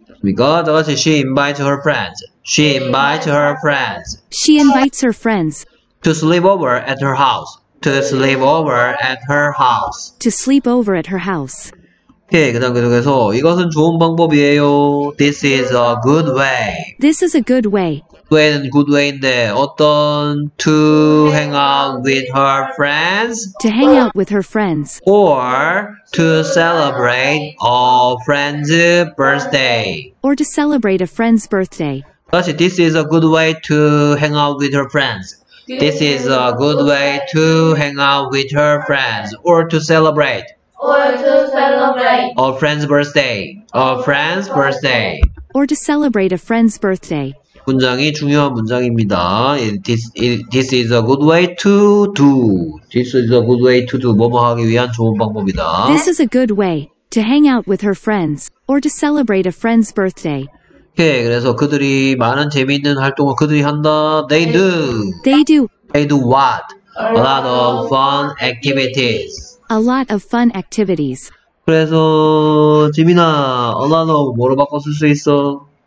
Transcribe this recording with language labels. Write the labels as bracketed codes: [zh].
[ko] 됐습니까? 다 같이 [en] she invites her friends. She invites her friends. She invites her friends. To sleep over at her house. To sleep over at her house. To sleep over at her house. [ko] 오케이, 그 다음 계속해서 이것은 좋은 방법이에요. [en] This is a good way. This is a good way. When good way인데 [ko] 어떤 [en] to hang out with her friends. To hang out with her friends. Or to celebrate a friend's birthday. Or to celebrate a friend's birthday. This is a good way to hang out with her friends. This is a good way to hang out with her friends or to celebrate Or to celebrate. A friend's birthday. A friend's birthday. Or to celebrate a friend's birthday. [ko] 문장이 중요한 문장입니다. [en] This is a good way to do. This is a good way to do. [ko] 뭐뭐 하기 위한 좋은 방법이다. [en] This is a good way to hang out with her friends or to celebrate a friend's birthday. [ko] 오케이, 그래서 그들이 많은 재미있는 활동을 그들이 한다. [en] They do what? A lot of fun activities. A lot of fun activities. [ko] 그래서 지민아, [en] a lot of [ko] 뭐로 바꿔 쓸 수 있어?